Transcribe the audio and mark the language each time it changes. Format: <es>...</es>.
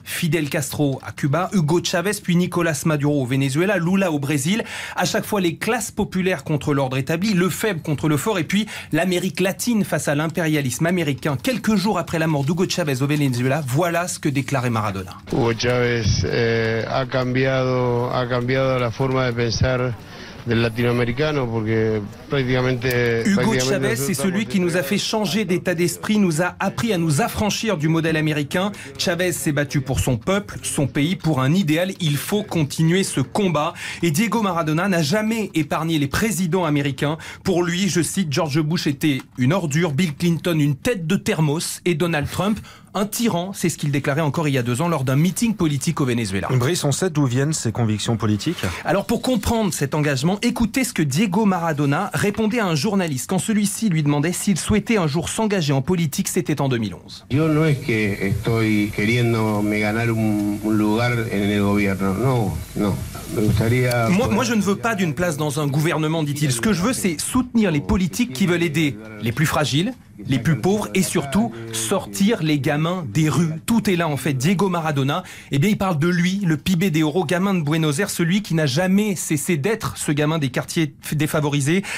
<fr>Fidel Castro à Cuba, Hugo Chavez, puis Nicolas Maduro au Venezuela, Lula au Brésil. À chaque fois, les classes populaires contre l'ordre établi, le faible contre le fort, et puis l'Amérique latine face à l'impérialisme américain. Quelques jours après la mort d'Hugo Chavez au Venezuela, voilà ce que déclarait Maradona.</fr> <es>Hugo Chavez a cambiado la forma de pensar del latinoamericano porque prácticamente</es> <fr>Hugo Chavez, c'est celui qui nous a fait changer d'état d'esprit, nous a appris à nous affranchir du modèle américain. Chavez s'est battu pour son peuple, son pays, pour un idéal. Il faut continuer ce combat. Et Diego Maradona n'a jamais épargné les présidents américains. Pour lui, je cite, George Bush était une ordure, Bill Clinton une tête de thermos et Donald Trump un tyran, c'est ce qu'il déclarait encore il y a deux ans lors d'un meeting politique au Venezuela. Brice, on sait d'où viennent ces convictions politiques ? Alors pour comprendre cet engagement, écoutez ce que Diego Maradona répondait à un journaliste quand celui-ci lui demandait s'il souhaitait un jour s'engager en politique, c'était en 2011.</fr> <es>Yo no es que estoy queriendo me ganar un lugar en el gobierno, no, no.</es> <fr>Moi, je ne veux pas d'une place dans un gouvernement, dit-il. Ce que je veux, c'est soutenir les politiques qui veulent aider les plus fragiles, les plus pauvres et surtout sortir les gamins des rues. Tout est là, en fait. Diego Maradona, eh bien, il parle de lui, le pibé des oros, gamin de Buenos Aires, celui qui n'a jamais cessé d'être ce gamin des quartiers défavorisés.</fr>